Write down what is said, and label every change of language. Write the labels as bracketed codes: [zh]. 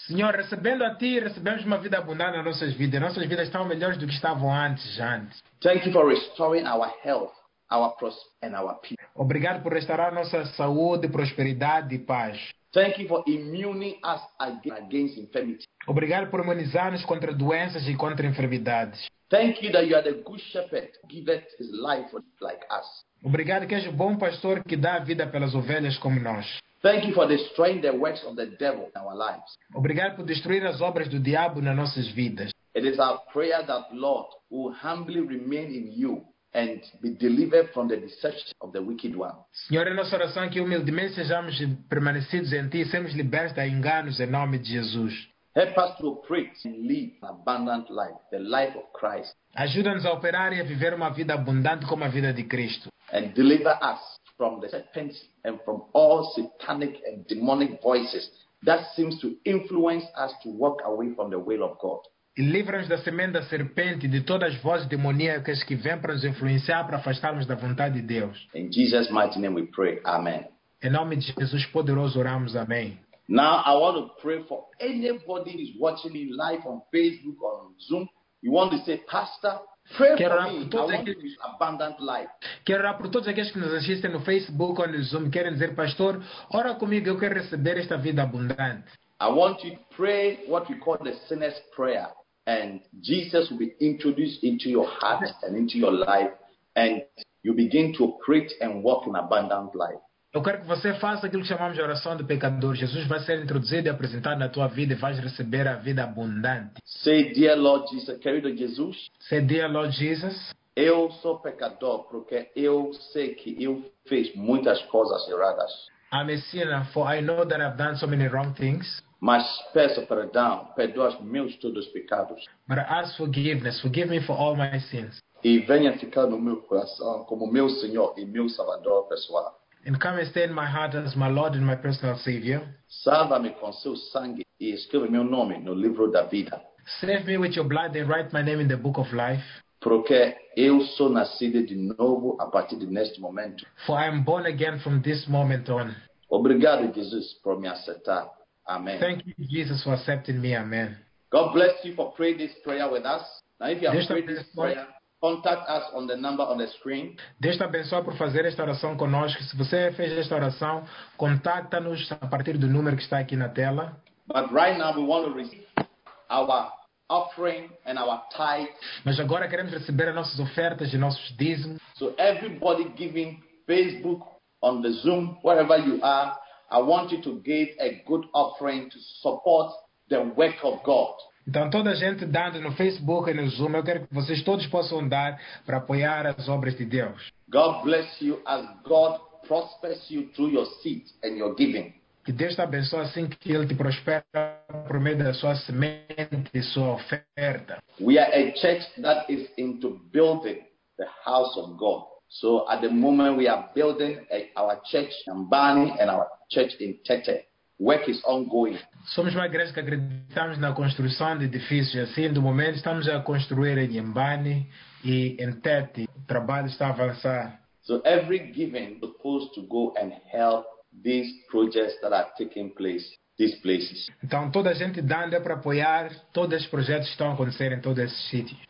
[pt] Senhor, recebendo a Ti, recebemos uma vida abundante nas nossas vidas. Nossas vidas estão melhores do que estavam antes. [en] Thank you for restoring our health, our prosperity, and our peace. [pt] Obrigado por restaurar nossa saúde, prosperidade e paz. [en] Thank you for immuning us against infirmity. [pt] Obrigado por imunizar-nos contra doenças e contra enfermidades. [en] Thank you that you are the good shepherd, giveth his life for like us. [pt] Obrigado que és o bom pastor que dá a vida pelas ovelhas como nós. [en] Thank you for destroying the works of the devil in our lives. [pt] Obrigado por destruir as obras do diabo nas nossas vidas. [en] It is our prayer that Lord will humbly remain in you and be delivered from the deception of the wicked one. [pt] Senhor, é nossa oração que humildemente sejamos permanecidos em Ti e sejamos libertos de enganos em nome de Jesus. [en] Help us to operate and live an abundant life, the life of Christ. [pt] Ajuda-nos a operar e a viver uma vida abundante como a vida de Cristo. [en] And deliver us from the serpents and from all satanic and demonic voices that seems to influence us to walk away from the will of God. [pt] E livra-nos da semente da serpente e de todas as vozes demoníacas que vêm para nos influenciar para afastarmos da vontade de Deus. [en] In Jesus' mighty name we pray. Amen. [pt] Em nome de Jesus poderoso oramos. Amém. [en] Now I want to pray for anybody who is watching me live on Facebook or on Zoom. You want to say, Pastor, pray [pt] quero [en] for me. [pt] Todos [en] I want [pt] aqueles... [en] to live abundant life. [pt] Quero orar por todos aqueles que nos assistem no Facebook ou no Zoom. Querem dizer, Pastor, ora comigo, eu quero receber esta vida abundante. [en] I want you to pray what we call the sinner's prayer. And Jesus will be introduced into your heart and into your life. And you begin to operate and walk in abundant life. [pt] Eu quero que você faça aquilo que chamamos de oração do pecador. Jesus vai ser introduzido e apresentado na tua vida e vais receber a vida abundante. [en] Say, dear Lord Jesus, [pt] querido Jesus. [en] Say, dear Lord Jesus. [pt] Eu sou pecador porque eu sei que eu fiz muitas coisas erradas. [en] I'm a sinner, for I know that I've done so many wrong things. [pt] Mas peço perdão, perdoa os meus todos pecados. [en] But I ask forgiveness, forgive me for all my sins. [pt] E venha ficar no meu coração como meu Senhor e meu Salvador pessoal. [en] And come and stay in my heart as my Lord and my personal Savior. [pt] Salva-me com seu sangue e escreve meu nome no livro da vida. [en] Save me with your blood and write my name in the book of life. [pt] Porque eu sou nascido de novo a partir de neste momento. [en] For I am born again from this moment on. [pt] Obrigado, Jesus, por me aceitar. Amen. [en] Thank you, Jesus, for accepting me. Amen. God bless you for praying this prayer with us. Now, if you have prayed this prayer... Contact us on the number on the screen. [pt] Deus te abençoe por fazer esta oração conosco. Se você fez esta oração, contacta-nos a partir do número que está aqui na tela. [en] But right now we want to receive our offering and our tithe. [pt] Mas agora queremos receber as nossas ofertas e nossos dízimos. [en] So everybody giving Facebook, on the Zoom, wherever you are, I want you to give a good offering to support the work of God. [pt] Então, toda a gente dando no Facebook e no Zoom, eu quero que vocês todos possam dar para apoiar as obras de Deus. [en] God bless you as God prospers you through your seed and your giving. [pt] Que Deus te abençoe assim que Ele te prospera por meio da sua semente e sua oferta. [en] We are a church that is into building the house of God. So, at the moment, we are building our church in Mbani and our church in Tete. Work is ongoing. [pt] Somos uma igreja que acreditamos na construção de edifícios. Assim, do momento, estamos a construir em Mbani e em Tete. O trabalho está a avançar. [en] So every giving is supposed to go and help these projects that are taking place, these places. [pt] Então, toda a gente dando é para apoiar todos os projetos que estão a acontecer em todo esse sítio.